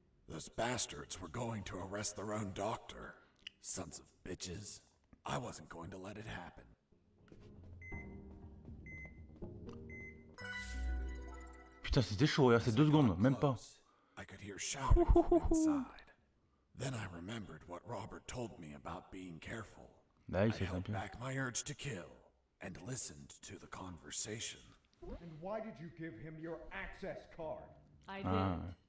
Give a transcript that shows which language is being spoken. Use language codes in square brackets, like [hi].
[en] Those bastards were going to arrest their own doctor. Sons of bitches. I wasn't going to let it happen. [fr] Putain, c'était chaud, regarde, c'est deux secondes, même pas. [en] I could hear shouting inside. Then I remembered what Robert told me about being careful. Nice, I held [fr] champion. [en] Back my urge to kill and listened to the conversation. And why did you give him your access card? I did. Ah.